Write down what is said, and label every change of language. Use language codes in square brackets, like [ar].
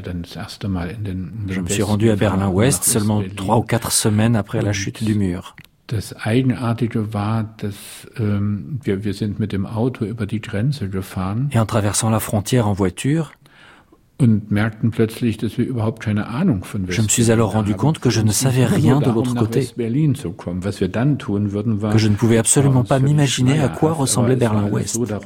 [fr] Je me suis rendu à Berlin-Ouest seulement 3 ou 4 semaines après la chute du mur. [de] Das Eigenartige war, dass wir sind mit dem Auto über die Grenze gefahren. [fr] Et en traversant la frontière en voiture, Je me suis alors rendu compte que je ne savais rien de l'autre côté, que je ne pouvais absolument pas m'imaginer à quoi ressemblait Berlin-Ouest.